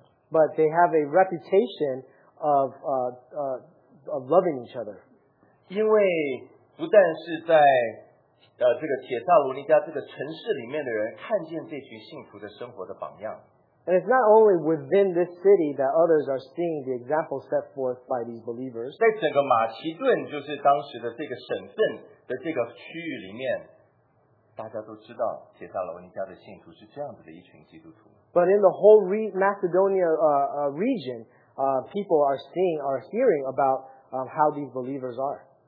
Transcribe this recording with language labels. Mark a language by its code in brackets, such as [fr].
[en] but they have a reputation of loving each other. [zh] 因为不但是在 这个帖撒罗尼迦这个城市里面的人看见这群信徒的生活的榜样, [en] and it's not only within this city that others are seeing the example set forth by these believers. [zh] 在整个马其顿就是当时的这个省份的这个区域里面, 大家都知道帖撒罗尼迦的信徒是这样子的一群基督徒。 [en] But in the whole Macedonia region, people are seeing, are hearing about how these believers are.